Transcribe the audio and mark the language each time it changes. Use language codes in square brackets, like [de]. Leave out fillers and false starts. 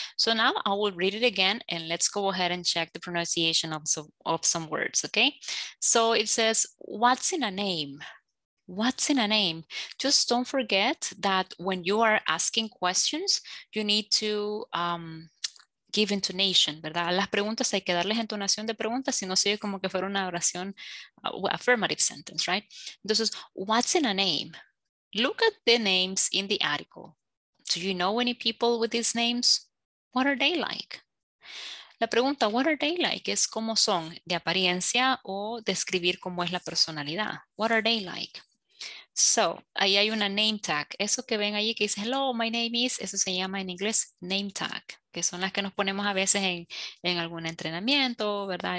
[en] So now I will read it again and let's go ahead and check the pronunciation of some words. Okay. So it says, what's in a name? What's in a name? Just don't forget that when you are asking questions, you need to give intonation, ¿verdad? [es] Las preguntas hay que darles entonación de preguntas, si no sigue como que fuera una oración, [en] affirmative sentence, right? Entonces, what's in a name? Look at the names in the article. Do you know any people with these names? What are they like? [es] La pregunta, [en] what are they like? [es] Es cómo son, de apariencia o describir cómo es la personalidad. [en] What are they like? [es] So, ahí hay una name tag. Eso que ven allí que dice, [en] hello, my name is, [es] eso se llama en inglés name tag, que son las que nos ponemos a veces en algún entrenamiento, ¿verdad?